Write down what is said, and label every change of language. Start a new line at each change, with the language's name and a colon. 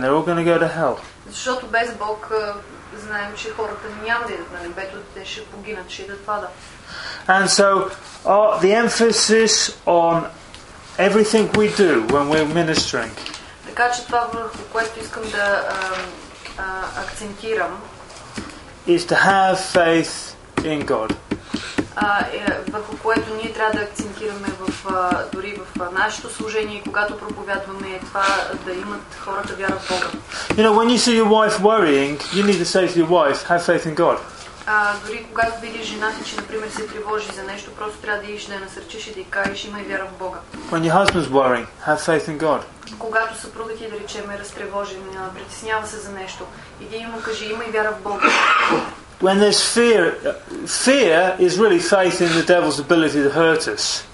English: They're all going to go to hell.
Bulgarian: Защото без Бог знаем, че хората няма да идат на небето, те ще погинат, ще идат в ада.
English: And so the emphasis on everything we do when we're ministering.
Bulgarian: Така че това, върху което искам да акцентирам,
English: is to have faith in God.
Bulgarian: Върху което ние трябва да акцентираме в дори в нашето служение, когато проповядваме, е това да имат хората вяра в Бога.
English: You know, when you see your wife worrying, you need to say to your wife, have faith in God.
Bulgarian: Дори когато видиш жена си, че например се тревожи за нещо, просто трябва да идиш да я насърчиш и да й кажеш, имай вяра в Бога.
English: When your husband's worrying, have faith in God.
Bulgarian: Когато съпругът ти, да речем, е разтревожен, притеснява се за нещо, иди и му кажи, имай вяра в Бога.
English: When there's fear, fear is really faith in the devil's ability to hurt us.